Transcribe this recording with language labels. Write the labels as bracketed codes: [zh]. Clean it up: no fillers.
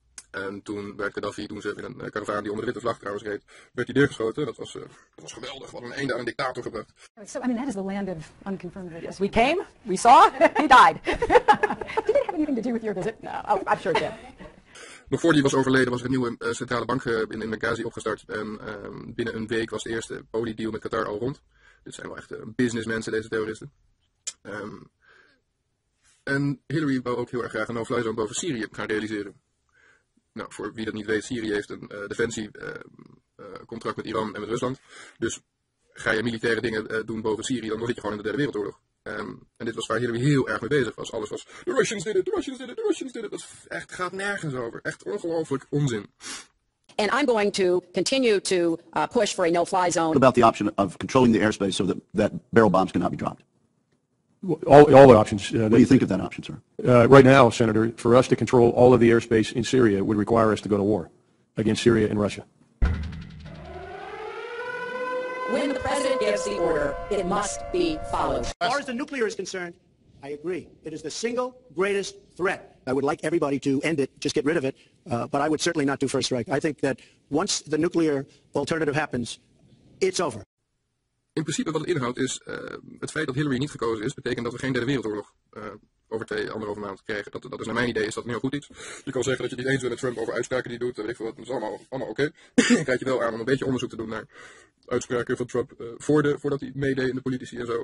[nl] En toen werd Gaddafi, toen ze in een karavaan die onder de witte vlag trouwens reed, werd hij neergeschoten. Dat was geweldig. Wat een einde aan een dictator gebracht. [en] So, I mean, that is the land of unconfirmed videos. We came, we saw, he died. Did it have anything to do with your visit? No, I'm sure it did. [nl] Nog voor die was overleden was er een nieuwe centrale bank in Benghazi opgestart. En binnen een week was de eerste oliedeal met Qatar al rond. Dit zijn wel echt businessmensen, deze terroristen. En Hillary wou ook heel erg graag een no-fly zone boven Syrië gaan realiseren. Nou, voor wie dat niet weet, Syrië heeft een defensiecontract met Iran en met Rusland. Dus ga je militaire dingen doen boven Syrië, dan zit je gewoon in de Derde Wereldoorlog. En dit was waar Hillary heel erg mee bezig was. Alles was, [en] the Russians did it, the Russians did it, the Russians did it. [nl] Dat echt gaat nergens over. Echt ongelooflijk onzin. [en] And I'm going to continue to push for a no-fly zone. What about the option of controlling the airspace so that barrel bombs cannot be dropped? All the options. What do you think of that option, sir? Right now, Senator, for us to control all of the airspace in Syria would require us to go to war against Syria and Russia. When the president gets... gives the order, it must be followed. As far as the nuclear is concerned, I agree. It is the single greatest threat. I would like everybody to end it, just get rid of it, but I would certainly not do first strike. I think that once the nuclear alternative happens, it's over. [nl] In principe wat het inhoudt is, het feit dat Hillary niet gekozen is, betekent dat we geen derde wereldoorlog over 2,5 maand krijgen. Dat is naar mijn idee, is dat een heel goed iets. Je kan zeggen dat je niet eens bent met Trump over uitspraken die hij doet, weet ik veel wat, dat is allemaal oké. Dan kijk je wel aan om een beetje onderzoek te doen naar uitspraken van Trump voordat hij meedeed in de politici en zo.